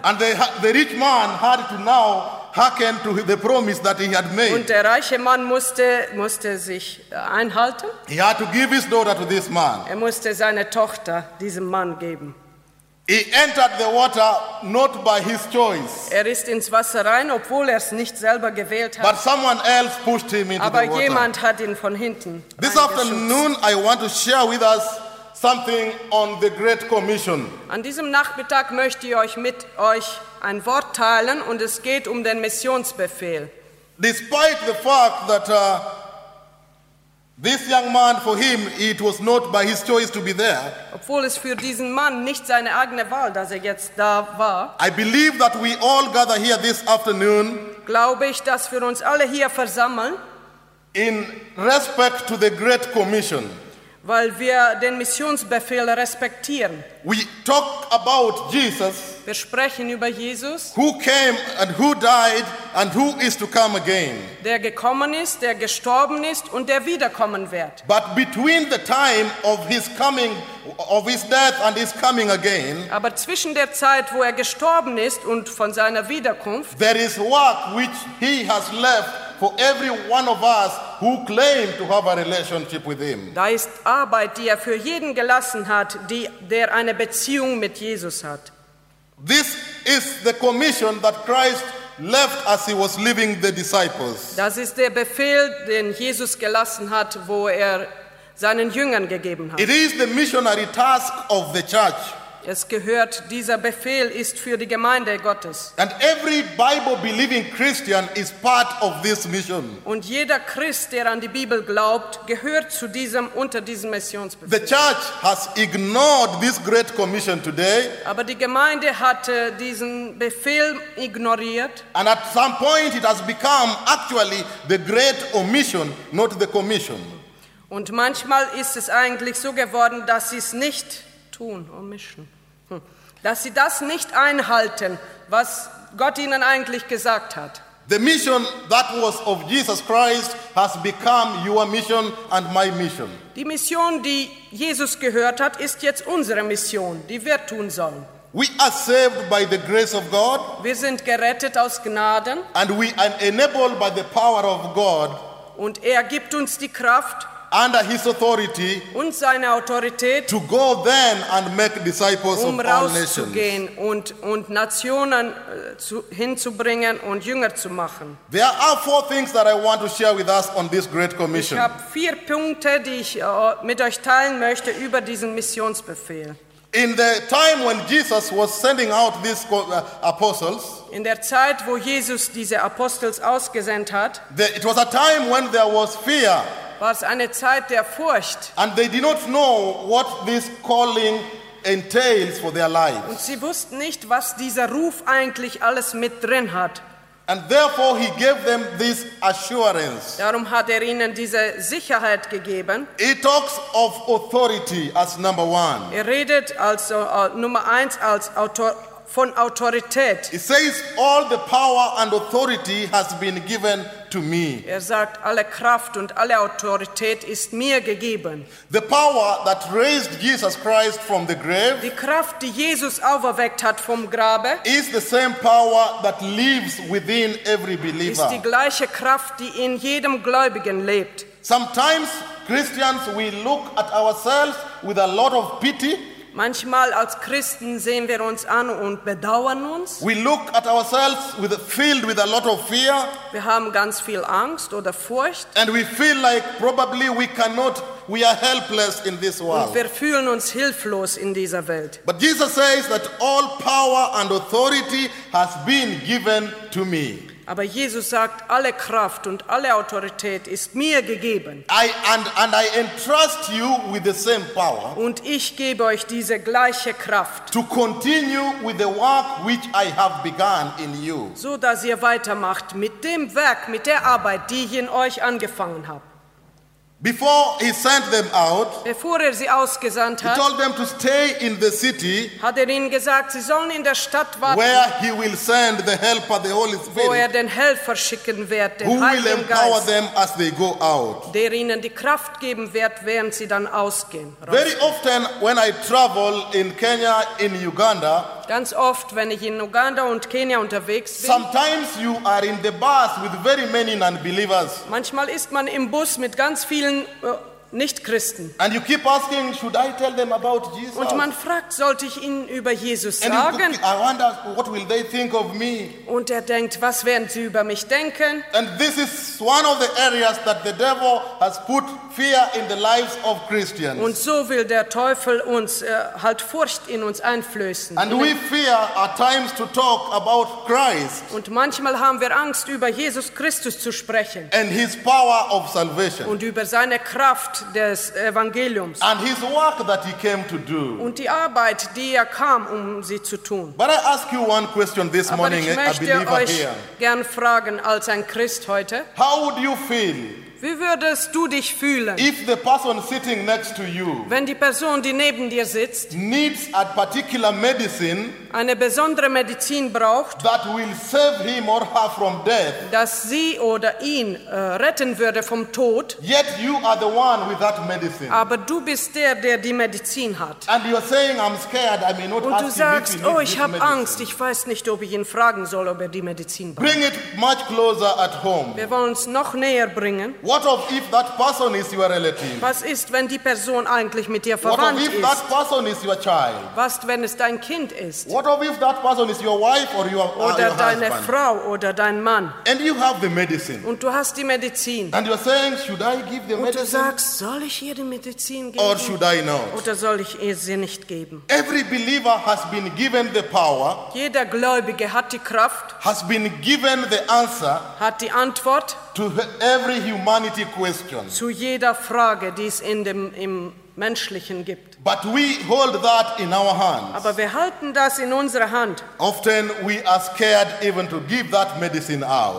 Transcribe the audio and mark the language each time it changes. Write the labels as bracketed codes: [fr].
[en] And the rich man had to now hearken to the promise that he had made. [de] Und der reiche Mann musste sich einhalten. [en] He had to give his daughter to this man. [de] Er musste seine Tochter diesem Mann geben. [en] He entered the water not by his choice. [de] Er ist ins Wasser rein, obwohl er es nicht selber gewählt hat. [en] But someone else pushed him into [de] Aber [en] the water. [de] Aber jemand hat ihn von hinten. [en] This afternoon I want to share with us something on the Great Commission. [de] An diesem Nachmittag möchte ich euch mit euch ein Wort teilen und es geht um den Missionsbefehl. [en] Despite the fact that this young man, for him, it was not by his choice to be there. [de] Obwohl es für diesen Mann nicht seine eigene Wahl, dass er jetzt da war. [en] I believe that we all gather here this afternoon. [de] Glaube ich, dass wir uns alle hier versammeln. [en] In respect to the Great Commission. [de] Weil wir den Missionsbefehl respektieren. [en] We talk about Jesus. [de] Wir sprechen über Jesus. [en] Who came and who died and who is to come again. [de] Der gekommen ist, der gestorben ist und der wiederkommen wird. [en] But between the time of his coming, of his death and his coming again. [de] Aber zwischen der Zeit, wo er gestorben ist und von seiner Wiederkunft. [en] There is work which he has left for every one of us who claim to have a relationship with him. [de] Da ist Arbeit, die er für jeden gelassen hat, der eine Beziehung mit Jesus hat. [en] This is the commission that Christ left as he was leaving the disciples. [de] Das ist der Befehl, den Jesus gelassen hat, wo er seinen Jüngern gegeben hat. [en] It is the missionary task of the church. [de] Es gehört, dieser Befehl ist für die Gemeinde Gottes. [en] And every Bible-believing Christian is part of this mission. [de] Und jeder Christ, der an die Bibel glaubt, gehört zu diesem, unter diesem Missionsbefehl. [en] The church has ignored this great commission today. [de] Aber die Gemeinde hat diesen Befehl ignoriert. [en] And at some point it has become actually the great omission, not the commission. [de] Und manchmal ist es eigentlich so geworden, dass sie es nicht tun, omission. Dass sie das nicht einhalten, was Gott ihnen eigentlich gesagt hat. [en] The mission that was of Jesus Christ has become your mission and my mission. [de] Die Mission, die Jesus gehört hat, ist jetzt unsere Mission, die wir tun sollen. [en] We are saved by the grace of God. [de] Wir sind gerettet aus Gnaden. [en] And we are enabled by the power of God. [de] Und er gibt uns die Kraft. [en] Under his authority, [de] und seine Autorität, [en] to go then and make disciples of all nations, [de] gehen und Nationen hinzubringen und Jünger zu machen. [en] There are four things that I want to share with us on this great commission. [de] Ich habe vier Punkte, die ich mit euch teilen möchte über diesen Missionsbefehl. [en] In the time when Jesus was sending out these apostles, [de] in der Zeit, wo Jesus diese Apostels ausgesandt hat, [en] it was a time when there was fear. [de] War es eine Zeit der Furcht. [en] And they did not know what this calling entails for their lives. [de] Und sie wussten nicht, was dieser Ruf eigentlich alles mit drin hat. [en] And therefore he gave them this assurance. [de] Darum hat er ihnen diese Sicherheit gegeben. [en] He talks of authority as number one. [de] Er redet also Nummer eins als von Autorität. [en] He says, all the power and authority has been given to me. [de] Er sagt, alle Kraft und alle Autorität ist mir gegeben. [en] The power that raised Jesus Christ from the grave, [de] die Kraft, die Jesus auferweckt hat vom Grabe, [en] is the same power that lives within every believer. [de] Ist die gleiche Kraft, die in jedem Gläubigen lebt. [en] Sometimes Christians we look at ourselves with a lot of pity. [de] Manchmal als Christen sehen wir uns an und bedauern uns. [en] We look at ourselves filled with a lot of fear. [de] Wir haben ganz viel Angst oder Furcht. [en] And we feel like probably we are helpless in this world. [de] Und wir fühlen uns hilflos in dieser Welt. [en] But Jesus says that all power and authority has been given to me. [de] Aber Jesus sagt, alle Kraft und alle Autorität ist mir gegeben. [en] And I entrust you with the same power. [de] Und ich gebe euch diese gleiche Kraft. [en] To continue with the work which I have begun in you. [de] So dass ihr weitermacht mit dem Werk, mit der Arbeit, die ich in euch angefangen habe. [en] Before he sent them out, [de] bevor er sie ausgesandt hat, [en] he told them to stay in the city, [de] hat er ihnen gesagt, sie sollen in der Stadt warten, [en] where he will send the helper, the Holy Spirit, [de] wo er den Helfer schicken wird, den [en] who [de] Heiligen [en] will empower [de] Geist, [en] them as they go out, [de] der ihnen die Kraft geben wird, während sie dann ausgehen. [en] Very often when I travel in Kenya, in Uganda, [de] ganz oft, wenn ich in Uganda und Kenia unterwegs bin, [en] sometimes you are in the bus with very many non-believers. [de] Manchmal ist man im Bus mit ganz vielen Nicht-Christen. [en] And you keep asking, should I tell them about Jesus? [de] Und man fragt, sollte ich ihnen über Jesus [en] and [de] sagen? [en] I wonder, what will they think of me? [de] Und er denkt, was werden sie über mich denken? [en] And this is one of the areas that the devil has put fear in the lives of Christians. [de] Und so will der Teufel uns halt Furcht in uns einflößen. [en] And we fear at times to talk about Christ. [de] Und manchmal haben wir Angst, über Jesus Christus zu sprechen. [en] And his power of salvation. [de] Und über seine Kraft des Evangeliums. [en] And his work that he came to do. [de] Und die Arbeit, die er kam, um sie zu tun. [en] But I ask you one question this [de] Aber [en] morning, [de] ich möchte [en] a believer [de] euch [en] here. [de] Gern fragen, als ein Christ heute. [en] How would you feel? [de] Wie würdest du dich fühlen, [en] if the person sitting next to you, [de] wenn die Person, die neben dir sitzt, [en] needs a particular medicine, [de] eine besondere Medizin braucht, [en] that will save him or her from death, [de] dass sie oder ihn retten würde vom Tod, [en] yet you are the one with that medicine. [de] Aber du bist der, der die Medizin hat. [en] And you're saying, I'm scared, I may not [de] und [en] ask [de] du sagst, [en] him if [de] oh, ich habe Angst, ich weiß nicht, ob ich ihn fragen soll, ob er die Medizin braucht. [en] Bring it much closer at home. [de] Wir wollen es noch näher bringen. [en] What of if that person is your relative? [de] Was ist, wenn die Person eigentlich mit dir verwandt ist? [en] What of if that person is your child? [de] Was, wenn es dein Kind ist? [en] What of if that person is your wife or your husband? [de] Oder deine Frau oder dein Mann? [en] And you have the medicine. [de] Und du hast die Medizin. [en] And you're saying, should I give the medicine? [de] Und du sagst, soll ich ihr die Medizin geben? [en] Or should I not? [de] Oder soll ich ihr sie nicht geben? [en] Every believer has been given the power. [de] Jeder Gläubige hat die Kraft. [en] Has been given the answer. [de] Hat die Antwort. [en] To every humanity question. [de] Zu jeder Frage, die es in dem im Menschlichen gibt. [en] But we hold that in our hands. [de] Aber wir halten das in unserer Hand. [en] Often we are scared even to give that medicine out.